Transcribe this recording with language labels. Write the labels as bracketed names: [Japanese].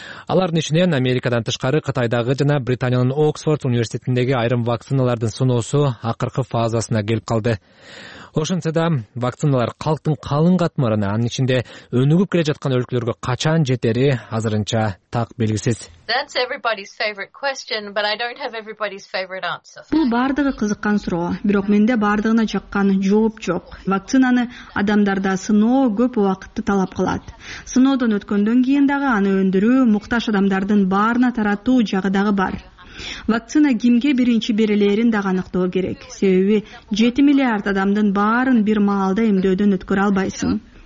[Kyrgyz] Алардын ичинен Америкадан тышкары Кытайдагы жана Британиянын Оксфорд университетиндеги айрым вакциналардын сыноосу акыркы фазасына келип калды. Ошентсе да вакциналар калктын калың катмарына, анын ичинде өнүгүп келе жаткан өлкөлөргө качан жетери азырынча так белгисиз. [English] That's everybody's favorite question, but I don't have everybody's favorite answer. [Kyrgyz] Бул баардыгы кызыккан суроо, бирок менде баардыгына чаккан жооп жок. Вакцинаны адамдарда сыноо көп убакытты талап кылат. Сыноодон өткөндөн кийин дагы аны өндүрүү, муктаж адамдардын баарына таратуу жагы дагы бар. Вакцина кимге биринчи берилерин дагы аныктоо керек. Себеби 7 миллиард адамдын баарын бир маалда эмдөөдөн өткөрө албайсың.